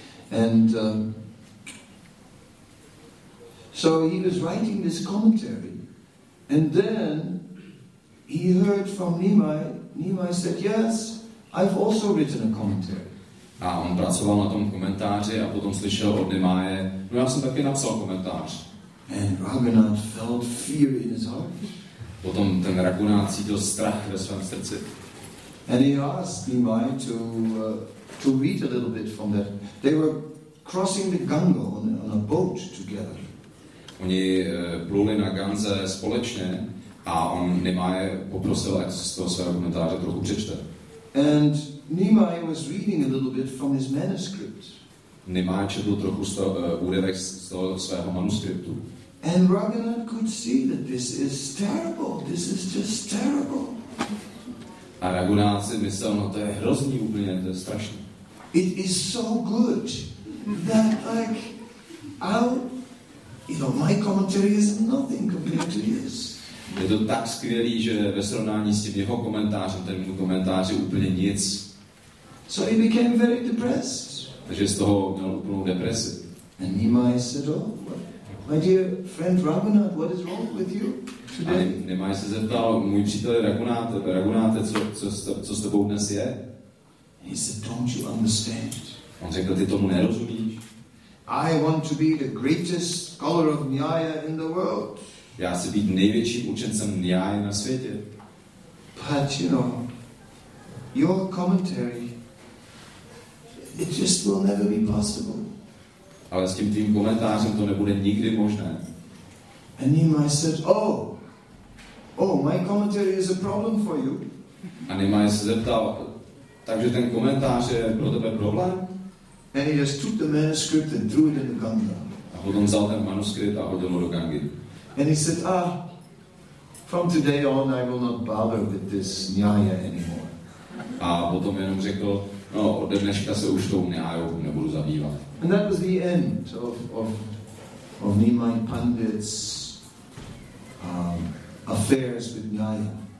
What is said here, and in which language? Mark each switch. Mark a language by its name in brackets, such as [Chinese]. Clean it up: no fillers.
[English] And so he was writing this commentary, and then he heard from Nimai. Nimai said, "Yes, I've also written a commentary." [Czech] A on pracoval na tom komentáři a potom slyšel od Nimaje, no já jsem taky napsal komentář. [English] And Raghunath felt fear in his heart. [Czech] Potom ten Raghunath cítil strach ve svém srdci. [English] And he asked Nimai to read a little bit from that. They were crossing the Ganga on a boat together. [Czech] Oni pluli na Gange společně a on Nimai poprosil, jak z toho svého komentáře trochu přečte. [English] And Nimai was reading a little bit from his manuscript. [Czech] Nimai četl trochu úryvek z toho svého manuskriptu. [English] And Raghunath could see that this is terrible. This is just terrible. [Czech] A Raghunath si myslel, no to je hrozný úplně, to je strašný. [English] It is so good that like how you know my commentary is nothing compared to this. [Czech] Je to tak skvělý, že ve srovnání s tím jeho komentářem, ten můj komentář je úplně nic. [English] So he became very depressed. [Czech] Takže z toho měl úplnou depresi. [English] And Nimai said, oh, my dear friend Raghunath, what is wrong with you today? [Czech] A Nimai se zeptal, můj příteli Raghunáte, co s tebou dnes je? [English] He said, don't you understand? [Czech] On řekl, ty tomu nerozumíš. [English] I want to be the greatest scholar of Nyaya in the world. [Czech] Já chci být největším učencem Nyaya na světě. [English] But you know, your commentary, it just will never be possible. [Czech] Ale s tím tvým komentářem to nebude nikdy možné. [English] And Nimai said, oh, my commentary is a problem for you. [Czech] A Nimai se zeptal, takže ten komentář je pro tebe problém? [English] And he just took the manuscript and threw it in the Ganga. [Czech] A potom vzal ten manuskript a hodil ho do Gangy. [English] And he said, ah, from today on I will not bother with this Nyaya anymore. [Czech] A potom jenom řekl, no, od dneška se už tou Nyayou nebudu zabývat. [English] And that was the end of Nimai Pandit's affairs with Nyaya.